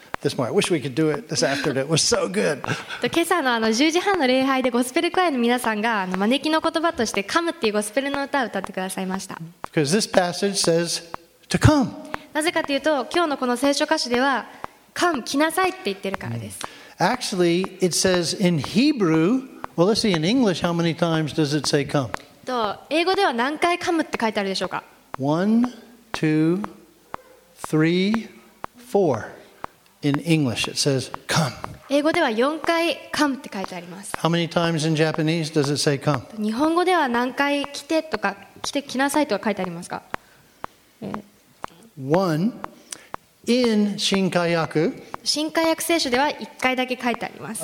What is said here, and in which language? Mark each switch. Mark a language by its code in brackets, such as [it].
[en] This morning. I wish we could do it this afternoon. It was so good. [ja] 今朝の10時半の礼拝でゴスペルクワイの皆さんが招きの言葉として「come」っていうゴスペルの歌を歌ってくださいました。 [en] Because this passage says to come. [ja] なぜかというと今日のこの聖書箇所では「come」来なさいって言ってるからです。 [en] Actually, it says in Hebrew. Well, let's see. In English, how many times does it say come? [ja] と英語では何回「come」って書いてあるでしょうか。 [en] One, two, three, four. In English, it says, come. [ja] 英語では4回 come って書いてあります。 [en] How many times in Japanese does it say come? [ja] 日本語では何回来てとか来なさいとか書いてありますか？ [en] One, in 新海訳。 [ja] 新海訳聖書では1回だけ書いてあります。